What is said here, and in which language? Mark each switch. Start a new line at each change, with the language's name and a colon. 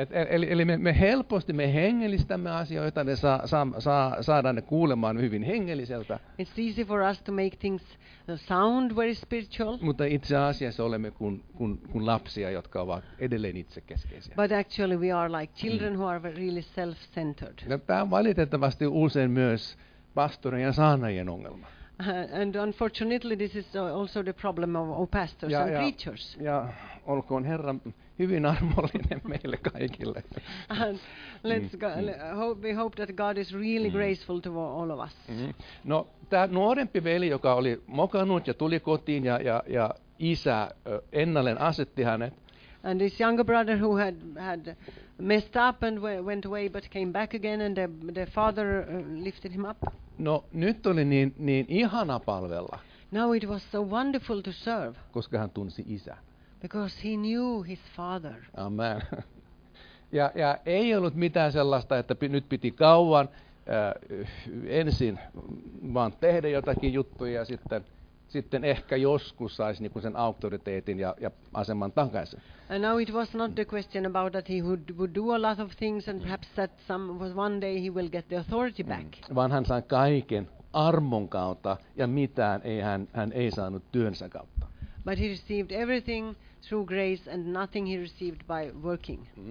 Finnish: Eli me helposti me hengellistämme asioita, ne saadaan ne kuulemaan hyvin hengelliseltä.
English: It's easy for us to make things sound very spiritual.
Finnish: Mutta itse asiassa olemme kuin lapsia, jotka ovat edelleen itsekeskeisiä.
English: But actually we are like children who are really self-centered.
Finnish: No, tämä on valitettavasti usein myös pastorin ja saarnaajien ongelma.
English: And unfortunately this is also the problem of our pastors
Finnish: ja,
English: and preachers.
Finnish: Ja olkoon Herra hyvin armollinen meille kaikille.
English: And let's go, we hope that God is really graceful to all of us.
Finnish: No, tämä nuorempi veli, joka oli mokannut ja tuli kotiin ja isä ennalleen asetti hänet.
English: And this younger brother who had messed up and went away but came back again and the father lifted him up.
Finnish: No, nyt oli niin ihana palvella.
English: Now it was so wonderful to serve.
Finnish: Koska hän tunsi isän.
English: Because he knew his father.
Finnish: Amen. Ja ei ollut mitään sellaista, että nyt piti kauan ensin vaan tehdä jotakin juttuja ja sitten ehkä joskus saisi niinku sen auktoriteetin ja aseman takaisin.
English: And now it was not the question about that he would do a lot of things and perhaps that some was one day he will get the authority back.
Finnish: Vaan hän sai kaiken armon kautta ja mitään ei hän ei saanut työnsä kautta.
English: But he received everything through grace and nothing he received by working.